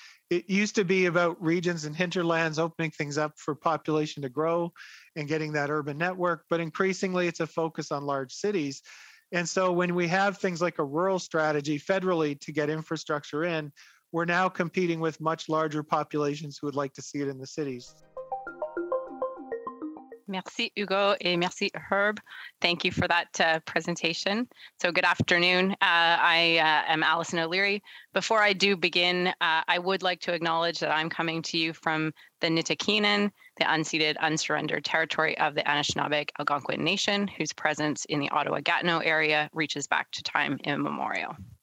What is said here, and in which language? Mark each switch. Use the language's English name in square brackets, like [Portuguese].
[English] It used to be about regions and hinterlands opening things up for population to grow and getting that urban network, but increasingly it's a focus on large cities. And so when we have things like a rural strategy federally to get infrastructure in, we're now competing with much larger populations who would like to see it in the cities. [French] Merci, Hugo, et merci, Herb. [English] Thank you for that presentation. So good afternoon. I am Allison O'Leary. Before I do begin, I would like to acknowledge that I'm coming to you from the Nitikinan, the unceded, unsurrendered territory of the Anishinaabeg Algonquin Nation, whose presence in the Ottawa-Gatineau area reaches back to time immemorial.